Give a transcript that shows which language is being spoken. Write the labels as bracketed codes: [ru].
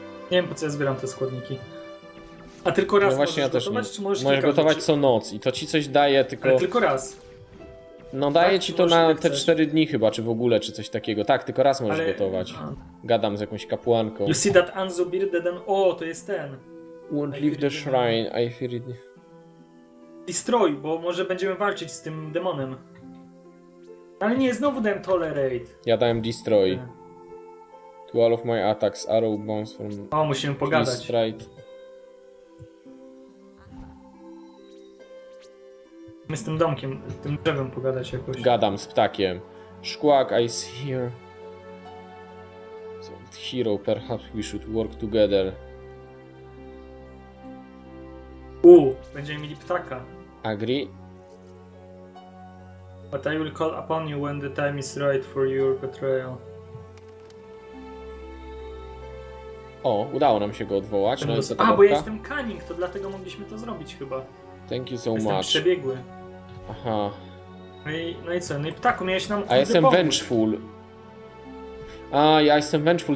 [pl] Nie wiem, po co ja zbieram te składniki. A tylko raz no właśnie możesz ja też gotować, czy możesz możesz gotować co noc i to ci coś daje, tylko... Ale tylko raz. No daje tak, ci to na te 4 dni chyba, czy w ogóle, czy coś takiego. Tak, tylko raz możesz gotować. Gadam z jakąś kapłanką. [en] You see that Anzu bearded and... [pl] O, to jest ten. [en] Won't leave the shrine, I fear it. [pl] Destroy, bo może będziemy walczyć z tym demonem. Ale nie, znowu dałem tolerate. Ja dałem destroy. [en] To all of my attacks, arrow bones from... [pl] O, musimy pogadać. My z tym domkiem, z tym drzewem pogadać jakoś. Gadam z ptakiem. Szkłak, [en] I see here. So, hero, perhaps we should work together. [pl] Będziemy mieli ptaka. [en] Agree. But I will call upon you when the time is right for your betrayal. [pl] O, udało nam się go odwołać. No jest bo ja jestem cunning, to dlatego mogliśmy to zrobić chyba. [en] Thank you so [pl] jestem [en] much. [pl] Jestem przebiegły. Aha. No i co? No i ptaku, miałeś nam... A jestem vengeful. A, ja jestem vengeful.